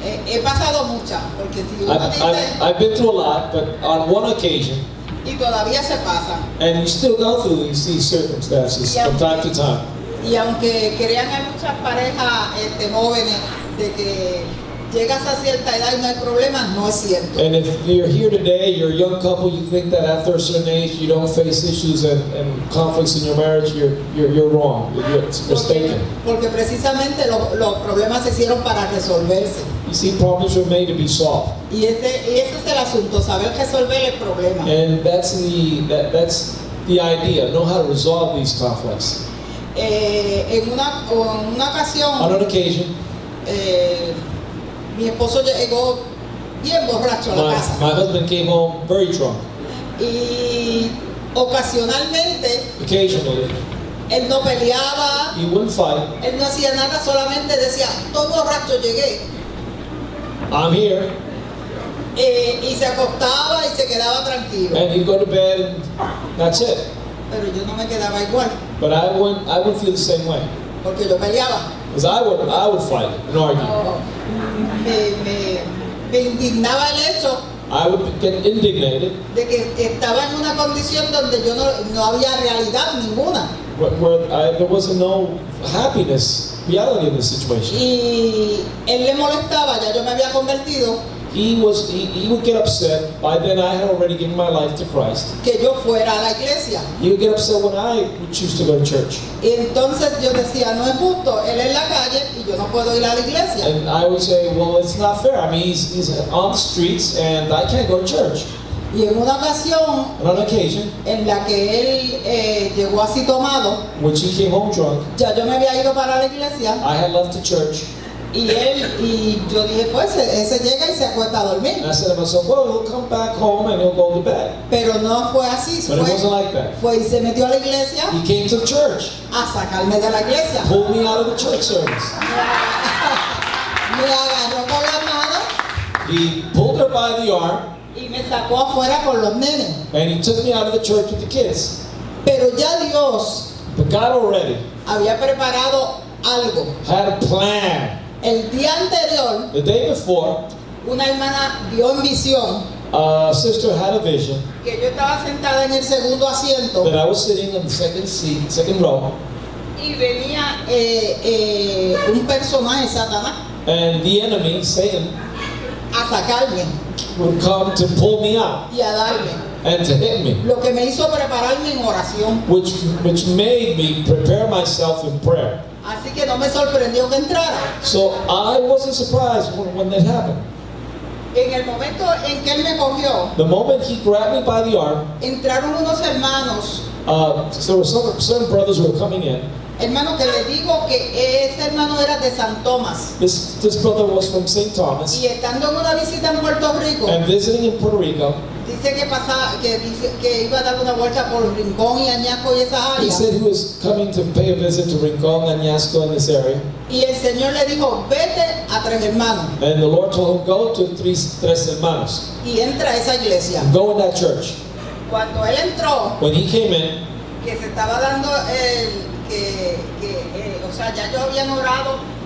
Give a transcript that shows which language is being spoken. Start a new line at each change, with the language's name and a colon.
Spanish: Mire, en una ocasión, he pasado muchas, porque si
English: I've been through a lot, but on one occasion.
Spanish: Y todavía se pasa.
English: And you still go through these circumstances from time to time.
Spanish: Y aunque crean en muchas parejas jóvenes de que llegas a cierta edad y no hay problemas, no es cierto.
English: And if you're here today, you're a young couple, you think that after a certain age you don't face issues and conflicts in your marriage, you're wrong. You're mistaken.
Spanish: Porque precisamente los problemas se hicieron para resolverse.
English: You see, problems were made to be solved.
Spanish: Y ese es el asunto, saber resolver el problema.
English: And that's the idea, know how to resolve these conflicts.
Spanish: En una ocasión.
English: On an occasion.
Spanish: Mi esposo llegó bien borracho a la casa.
English: My husband came home very drunk.
Spanish: Y ocasionalmente.
English: Occasionally.
Spanish: Él no peleaba.
English: He wouldn't fight.
Spanish: Él no hacía nada, solamente decía, todo borracho llegué.
English: I'm here.
Spanish: Y se acostaba y se quedaba tranquilo.
English: And he'd go to bed and that's it.
Spanish: Pero yo no me quedaba igual.
English: But I would feel the same way.
Spanish: Porque yo peleaba.
English: Because I would fight and argue. Oh,
Spanish: me indignaba el hecho.
English: I would get indignated.
Spanish: De que estaba en una condición donde yo no había realidad ninguna.
English: There was no happiness, reality in the situation.
Spanish: Y él le molestaba, ya yo me había convertido.
English: He would get upset. By then I had already given my life to Christ.
Spanish: Que yo fuera a la iglesia.
English: He would get upset when I would choose to go to church.
Spanish: Entonces yo decía, no es justo. Él en la calle y yo no puedo ir a la iglesia.
English: And I would say, well, it's not fair. I mean, he's on the streets and I can't go to church.
Spanish: Y en una ocasión.
English: And on occasion.
Spanish: En la que él llegó así tomado.
English: When he came home drunk.
Spanish: Ya yo me había ido para la iglesia.
English: I had left the church.
Spanish: Y yo dije, pues ese llega y se acuesta a dormir.
English: And I said to myself, well, he'll come back home and he'll go to bed.
Spanish: Pero no fue así.
English: But
Spanish: fue,
English: it wasn't like that.
Spanish: Fue y se metió a la iglesia.
English: He came to church.
Spanish: A sacarme de la iglesia.
English: Pulled me out of the church service.
Spanish: Me agarró con la mano.
English: He pulled her by the arm.
Spanish: Y me sacó afuera con los nenes.
English: And he took me out of the church with the kids.
Spanish: Pero ya Dios.
English: But God already.
Spanish: Había preparado algo.
English: Had a plan.
Spanish: El día anterior,
English: the day before,
Spanish: una hermana vio en visión,
English: a sister had a vision,
Spanish: que yo estaba sentada en el segundo asiento,
English: that I was sitting in the second seat, second row,
Spanish: y venía un personaje, Satanás,
English: and the enemy, Satan,
Spanish: a sacarme,
English: would come to pull me out,
Spanish: y a darme,
English: and to hit me,
Spanish: lo que me hizo prepararme en oración,
English: which made me prepare myself in prayer.
Spanish: Así que no me sorprendió que entrara.
English: So I wasn't surprised when that happened.
Spanish: En el momento en que él me cogió,
English: the moment he grabbed me by the arm,
Spanish: entraron unos hermanos.
English: There were some certain brothers who were coming in.
Spanish: Hermano, que le digo que ese hermano era de San Tomás.
English: This brother was from St. Thomas.
Spanish: Y estando en una visita en Puerto Rico.
English: And visiting in Puerto Rico.
Spanish: Dice que pasaba, que iba a dar una vuelta por Rincón y Añasco y esa área.
English: He said he was coming to pay a visit to Rincón, Añasco, and this area.
Spanish: Y el Señor le dijo, vete a tres hermanos.
English: And the Lord told him, go to tres hermanos.
Spanish: Y entra a esa iglesia.
English: Go in that church.
Spanish: Cuando él entró,
English: when he came in,
Spanish: que se estaba dando el que o sea, ya yo había orado.